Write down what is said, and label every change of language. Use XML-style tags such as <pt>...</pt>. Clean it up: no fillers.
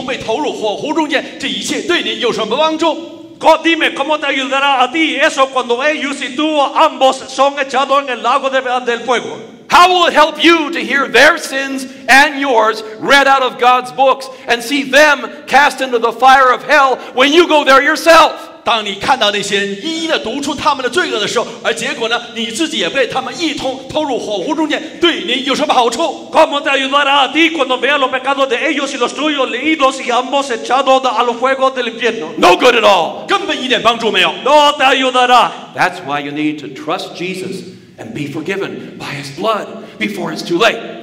<zh>当你和其他那些一同被投入火湖中间，这一切对你有什么帮助？</zh> <es>God, dime cómo te ayudará a ti eso cuando ellos y tú ambos son echados en el lago del fuego.</es> <en>How will it help you to hear their sins and yours read out of God's books and see them cast into the fire of hell when you go there yourself?</en> <zh>当你看到那些一一地读出他们的罪恶的时候，而结果呢，你自己也被他们一同投入火湖中间，对你有什么好处？</zh> <es>¿Cómo te ayudará a ti cuando veas los pecados de ellos y los tuyos leídos y ambos echados a los fuegos del infierno?</es> <en>No good at all.</en> <zh>根本一点帮助没有。</zh> <es>No te ayudará.</es> <en>That's why you need to trust Jesus and be forgiven by His blood before it's too late.</en>